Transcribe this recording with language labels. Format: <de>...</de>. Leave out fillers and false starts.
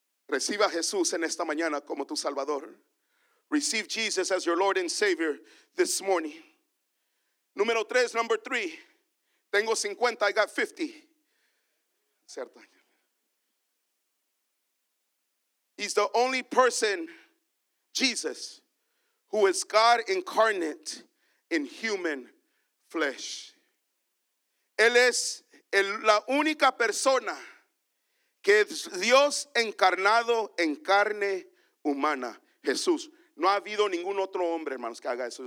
<es>Reciba a Jesús en esta mañana como tu Salvador.</es> <en>Receive Jesus as your Lord and Savior this morning.</en> <es>Número tres,</es> <en>number three.</en> <es>Tengo 50,</es> <en>I got 50.</en> <es>Cierto.</es> <en>He's the only person, Jesus, who is God incarnate in human flesh.</en> <es>Él es la única persona que es Dios encarnado en carne humana. Jesús. No ha habido ningún otro hombre, hermanos, que haga eso.</es>